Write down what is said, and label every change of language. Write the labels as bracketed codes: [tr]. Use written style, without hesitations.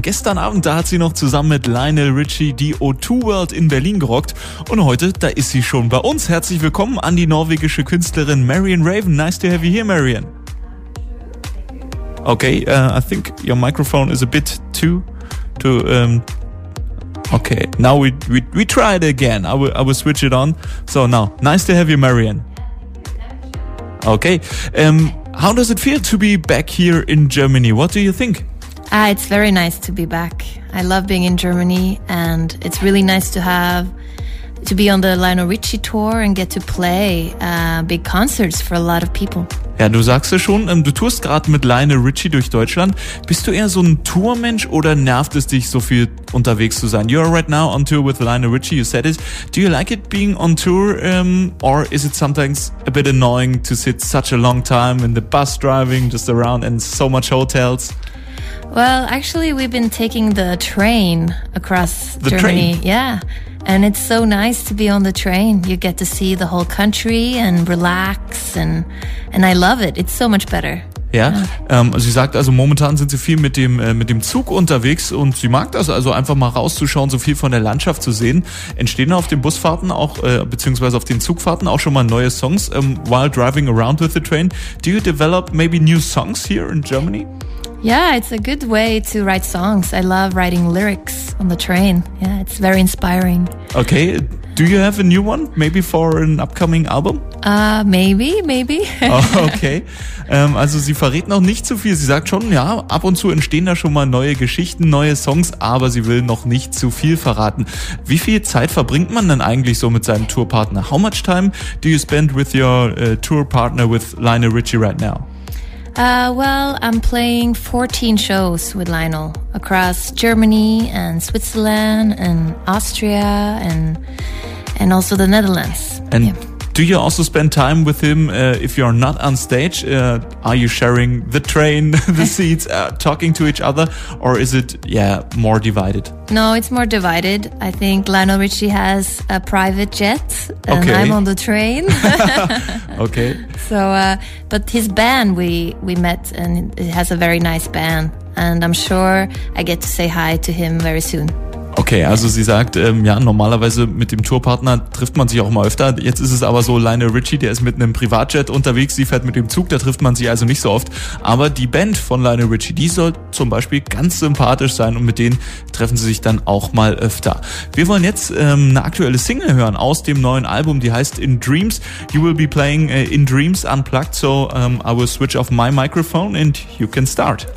[de] Gestern Abend, da hat sie noch zusammen mit Lionel Richie die O2 World in Berlin gerockt. Und heute, da ist sie schon bei uns. Herzlich willkommen an die norwegische Künstlerin Marion Raven. [en] Nice to have you here, Marion. Okay, I think your microphone is a bit okay, now we try it again. I will switch it on. So now, nice to have you, Marion. Okay, how does it feel to be back here in Germany? What do you think? It's very nice to be back. I love being in Germany, and it's really nice to be on the Lionel Richie tour and get to play big concerts for a lot of people. [de] Ja, du sagst ja schon, du tourst gerade mit Lionel Richie durch Deutschland. Bist du eher so ein Tourmensch oder nervt es dich, so viel unterwegs zu sein? [en] You're right now on tour with Lionel Richie, you said it. Do you like it being on tour or is it sometimes a bit annoying to sit such a long time in the bus driving just around and so much hotels? Well, actually we've been taking the train across the Germany. Train. Yeah. And it's so nice to be on the train. You get to see the whole country and relax, and I love it. It's so much better. [de] Ja, sie sagt also, momentan sind sie viel mit dem Zug unterwegs und sie mag das, also einfach mal rauszuschauen, so viel von der Landschaft zu sehen. Entstehen auf den Busfahrten auch, beziehungsweise auf den Zugfahrten auch schon mal neue Songs, [en] while driving around with the train. Do you develop maybe new songs here in Germany? Yeah, it's a good way to write songs. I love writing lyrics on the train. Yeah, it's very inspiring. Okay, do you have a new one? Maybe for an upcoming album? Maybe. Okay. [de] Also sie verrät noch nicht zu viel. Sie sagt schon, ja, ab und zu entstehen da schon mal neue Geschichten, neue Songs, aber sie will noch nicht zu viel verraten. Wie viel Zeit verbringt man denn eigentlich so mit seinem Tourpartner? [en] How much time do you spend with your tour partner with Lionel Richie right now? Well, I'm playing 14 shows with Lionel across Germany and Switzerland and Austria and also the Netherlands. And yeah. Do you also spend time with him if you're not on stage? Are you sharing the train, the seats, talking to each other? Or is it, more divided? No, it's more divided. I think Lionel Richie has a private jet and okay. I'm on the train. Okay. So, but his band, we met, and it has a very nice band. And I'm sure I get to say hi to him very soon. [de] Okay, also sie sagt, normalerweise mit dem Tourpartner trifft man sich auch mal öfter. Jetzt ist es aber so, Lionel Richie, der ist mit einem Privatjet unterwegs, sie fährt mit dem Zug, da trifft man sich also nicht so oft. Aber die Band von Lionel Richie, die soll zum Beispiel ganz sympathisch sein und mit denen treffen sie sich dann auch mal öfter. Wir wollen jetzt eine aktuelle Single hören aus dem neuen Album, die heißt In Dreams. [en] You will be playing In Dreams Unplugged, so I will switch off my microphone and you can start.